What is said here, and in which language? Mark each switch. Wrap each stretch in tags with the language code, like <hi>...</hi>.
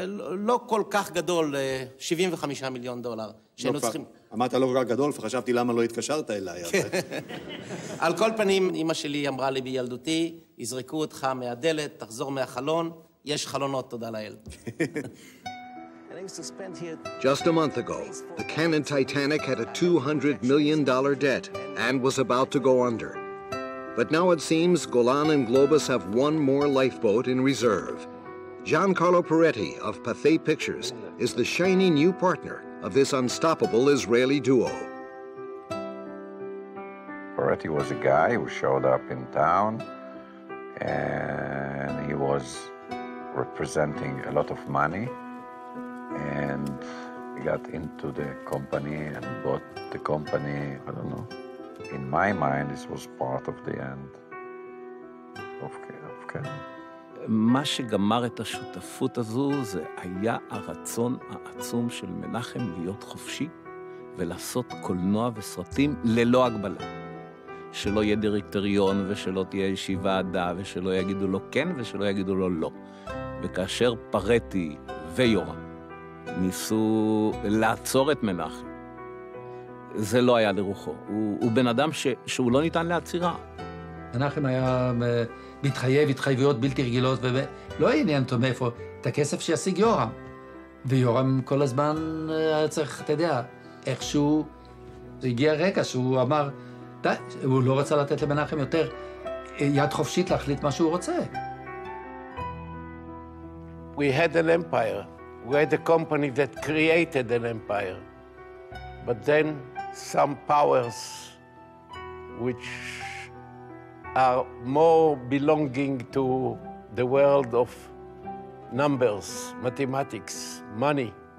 <he>לא כל כך גדול, 75 מיליון דולר. אמרת לא כל כך גדול, וחשבתי למה לא התקשרת אליי. על כל פנים, אמא שלי אמרה לי בילדותי, יזרקו אותך מהדלת, תחזור מהחלון, יש חלונות, תודה לאל.</he> <en>Just a month ago, the Canon Titanic had a $200 million debt and was about to go under. But now it seems Golan and Globus have one more lifeboat in reserve. Giancarlo Peretti of Pathé Pictures is the shiny new partner of this unstoppable Israeli duo. Moretti was a guy who showed up in town and he was representing a lot of money and he got into the company and bought the company. I don't know. In my mind, this was part of the end of Cannon.</en> <he>מה שגמר את השותפות הזו זה היה הרצון העצום של מנחם להיות חופשי ולעשות קולנוע וסרטים ללא הגבלה. שלא יהיה דירקטוריון ושלא תהיה אישי ועדה ושלא יגידו לו כן ושלא יגידו לו לא. וכאשר פרטי ויורם ניסו לעצור את מנחם, זה לא היה לרוחו. הוא בן אדם שהוא לא ניתן לעצירה. מנחם היה מתחייב התחייבויות בלתי רגילות, ולא עניין אותו מאיפה, את הכסף שישיג יורם. ויורם כל הזמן היה צריך, אתה יודע, איכשהו הגיע רגע שהוא אמר, הוא לא רצה לתת למנחם יותר יד חופשית להחליט מה שהוא רוצה.</he> <en>We had an empire. We had a company that created an empire. But then some powers which are more belonging to the world of numbers, mathematics, money.</en>